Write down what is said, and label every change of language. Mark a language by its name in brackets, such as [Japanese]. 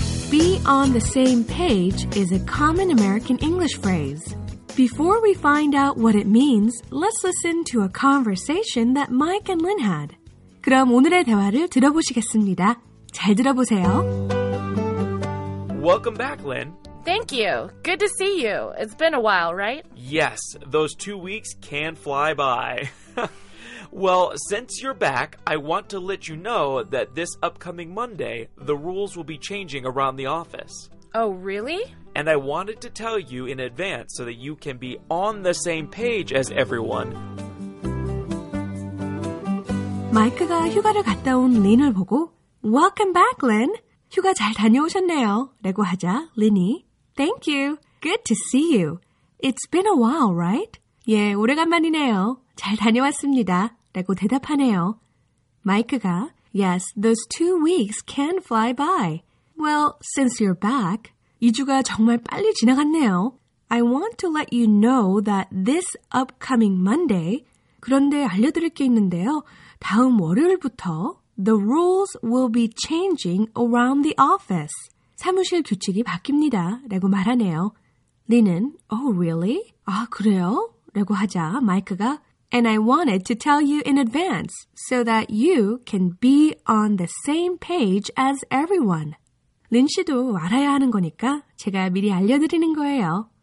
[English] 'Be on the same page' is a common American English phrase. Before we find out what it means, let's listen to a conversation that Mike and Lynn had. [Korean] 그럼 오늘의 대화를 들어보시겠습니다. 잘 들어보세요. [English] Welcome back, Lynn. Thank you. Good to see you. It's been a while, right? Yes, those 2 weeks can fly by. Well, since you're back, I want to let you know that this upcoming Monday, the rules will be changing around the office. Oh, really? And I wanted to tell you in advance so that you can be on the same page as everyone. [Korean] 마이크가 휴가를 갔다 온 린을 보고, Welcome back, Lynn. 휴가 잘 다녀오셨네요. 라고 하자, 린이. [English] Thank you. Good to see you. It's been a while, right? [Korean] 예, 오래간만이네요. 잘 다녀왔습니다. 라고 대답하네요. [English] 마이크가 Yes, those 2 weeks can fly by. Well, since you're back, [Korean] 2주가 정말 빨리 지나갔네요. [English] I want to let you know that this upcoming Monday, [Korean] 그런데 알려드릴 게 있는데요. 다음 월요일부터 [English] The rules will be changing around the office. [Korean] 사무실 규칙이 바뀝니다. 라고 말하네요. 리는 Oh, really? 아, 그래요? 라고 하자 마이크가 [English] And I wanted to tell you in advance so that you can be on the same page as everyone. [Korean] 린 씨도 알아야 하는 거니까 제가 미리 알려드리는 거예요.